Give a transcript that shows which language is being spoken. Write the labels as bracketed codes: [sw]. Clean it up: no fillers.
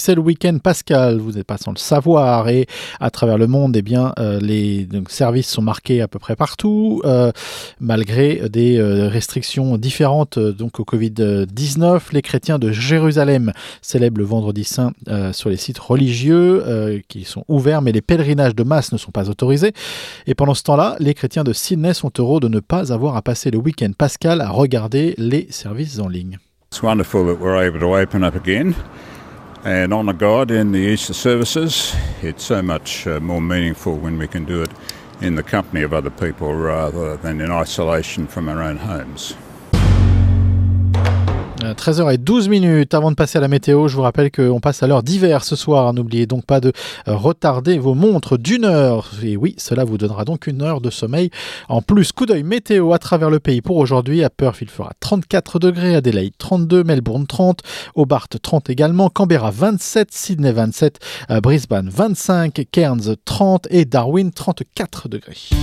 [fr] C'est le week-end pascal, vous n'êtes pas sans le savoir. Et à travers le monde, eh bien, les services sont marqués à peu près partout, malgré des restrictions différentes donc au Covid-19. Les chrétiens de Jérusalem célèbrent le Vendredi Saint sur les sites religieux qui sont ouverts, mais les pèlerinages de masse ne sont pas autorisés. Et pendant ce temps-là, les chrétiens de Sydney sont heureux de ne pas avoir à passer le week-end pascal à regarder les services en ligne. [en] It's wonderful that we're able to open up again and honour God in the Easter services. It's so much more meaningful when we can do it in the company of other people rather than in isolation from our own homes. [fr] 13h12, avant de passer à la météo, je vous rappelle qu'on passe à l'heure d'hiver ce soir. N'oubliez donc pas de retarder vos montres d'une heure. Et oui, cela vous donnera donc une heure de sommeil. En plus, coup d'œil météo à travers le pays pour aujourd'hui. À Perth, il fera 34 degrés, Adélaïde 32, Melbourne 30, Hobart 30 également, Canberra 27, Sydney 27, Brisbane 25, Cairns 30 et Darwin 34 degrés.